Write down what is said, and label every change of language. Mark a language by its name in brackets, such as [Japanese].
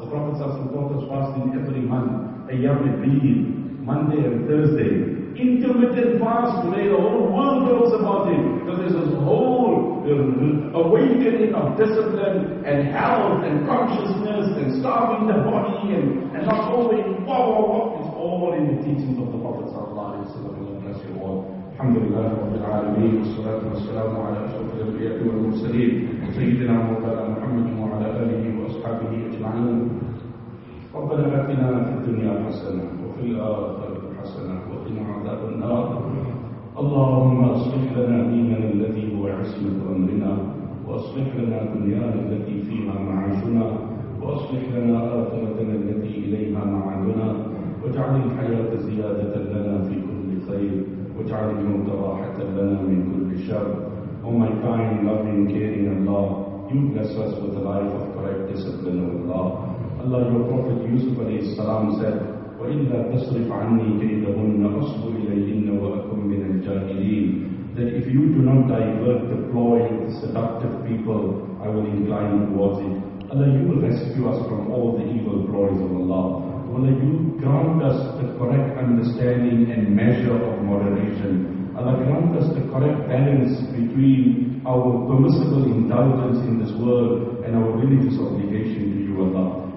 [English] The Prophet taught us fasting every month, a yam and bin, Monday and Thursday. Intermittent fast today, the whole world talks about it. So there's this whole awakening of discipline and health and consciousness and starving the body and not going, wah, it's all in the teachings of the Prophet. [Arabic] الحمد لله رب العالمين والصلاة والسلام على أشرف الأنبياء والمرسلين سيدنا مولانا محمد وعلى آله وأصحابه أجمعين. ربنا آتنا في الدنيا حسنة وفي الآخرة حسنة وقنا عذاب النار. اللهم أصلح لنا ديننا الذي هو عصمة أمرنا وأصلح لنا دنيانا التي فيها معاشنا وأصلح لنا آخرتنا التي إليها معادنا واجعل الحياة زيادة لنا في كل خير واجعل الموت راحة لنا من كل شر. [English] O my kind, loving, caring Allah, you bless us with a life of correct discipline, O Allah. Allah, your Prophet Yusuf alayhi salam said, [Arabic] وَإِلَّا تَصْرِفْ عَنِّي كَيْدَهُنَّ أَصْبُ إِلَيْهِنَّ وَأَكُمْ مِنَ الْجَاهِلِينَ. [English] That if you do not divert, deploy the seductive people, I will incline towards it. Allah, you will rescue us from all the evil ploys of Allah. Allah, you grant us the correct understanding and measure of moderation. Allah, grant us the correct balance between our permissible indulgence in this world and our religious obligation to you, Allah.